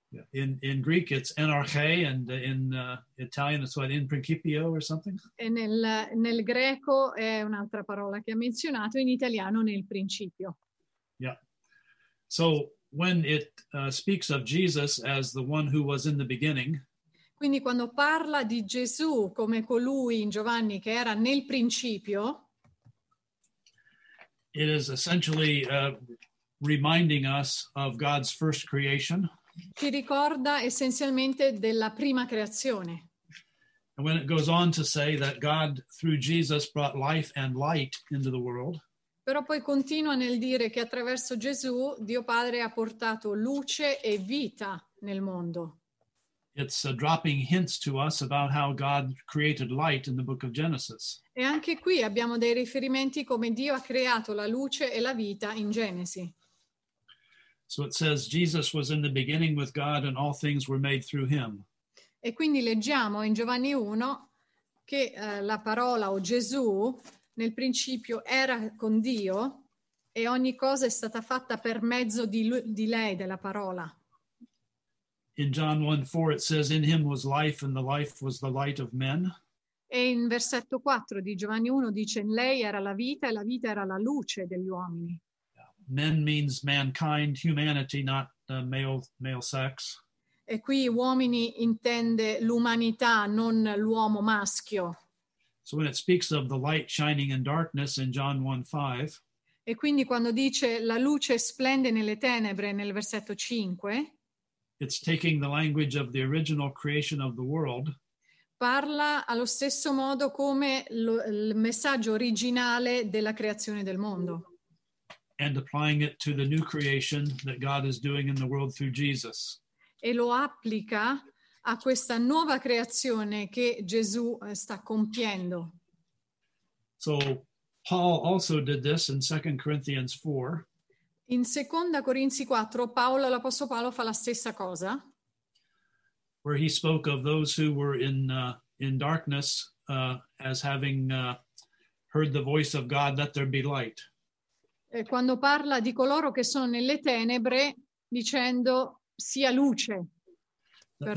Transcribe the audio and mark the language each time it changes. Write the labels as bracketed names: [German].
[English] In Greek it's enarche, and in Italian it's what, [Italian] in principio [English] or something? [Italian] E nel greco è un'altra parola che ha menzionato, in italiano nel principio. [English] Yeah. So when it speaks of Jesus as the one who was in the beginning. [Italian] Quindi quando parla di Gesù come colui in Giovanni che era nel principio. [English] It is essentially reminding us of God's first creation. [Italian] Ci ricorda essenzialmente della prima creazione. [English] And when it goes on to say that God through Jesus brought life and light into the world. [Italian] Però poi continua nel dire che attraverso Gesù Dio Padre ha portato luce e vita nel mondo. [English] It's dropping hints to us about how God created light in the book of Genesis. [Italian] E anche qui abbiamo dei riferimenti come Dio ha creato la luce e la vita in Genesi. [English] So it says Jesus was in the beginning with God and all things were made through him. [Italian] E quindi leggiamo in Giovanni 1 che la parola o Gesù nel principio era con Dio e ogni cosa è stata fatta per mezzo di lei, della parola. [English] In John 1:4 it says in him was life and the life was the light of men. [Italian] E in versetto 4 di Giovanni 1 dice: in lei era la vita e la vita era la luce degli uomini. [English] Men means mankind, humanity, not the male sex. [Italian] E qui uomini intende l'umanità, non l'uomo maschio. [English] So when it speaks of the light shining in darkness in John 1:5. [Italian] E quindi quando dice la luce splende nelle tenebre nel versetto 5. [English] It's taking the language of the original creation of the world. [Italian] Parla allo stesso modo come il messaggio originale della creazione del mondo. [English] And applying it to the new creation that God is doing in the world through Jesus. [Italian] E lo applica a questa nuova creazione che Gesù sta compiendo. [English] So Paul also did this in 2 Corinthians 4. [Italian] In Seconda Corinzi 4, Paolo, l'Apostolo Paolo, fa la stessa cosa. [English] Where he spoke of those who were in darkness as having heard the voice of God, let there be light. [Italian] E quando parla di coloro che sono nelle tenebre, dicendo sia luce per